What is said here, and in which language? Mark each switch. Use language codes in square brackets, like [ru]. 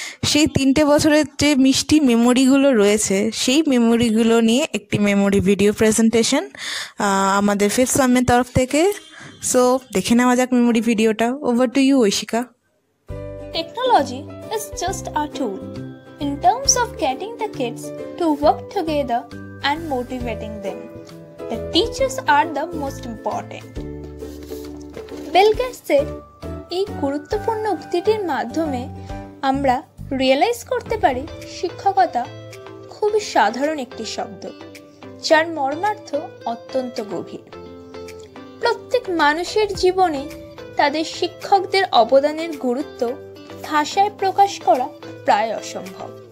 [bn] সেই তিনটে বছরের যে মিষ্টি মেমোরিগুলো রয়েছে, সেই মেমোরিগুলো নিয়ে একটি মেমোরি ভিডিও প্রেজেন্টেশন আমাদের ফিফথ সামের তরফ থেকে। সো দেখে নেওয়া যাক মেমোরি ভিডিওটা। [en] over to you [bn] Aishika. [en] Technology is just a tool in terms of getting the kids to work together and motivating them. The teachers are the most important. Bill Gates said, [bn] এই গুরুত্বপূর্ণ উক্তিটির মাধ্যমে আমরা realise করতে পারি শিক্ষকতা খুবই সাধারণ একটি শব্দ যার মর্মার্থ অত্যন্ত গভীর। প্রত্যেক মানুষের জীবনে তাদের শিক্ষকদের অবদানের গুরুত্ব ভাষায় প্রকাশ করা প্রায় অসম্ভব।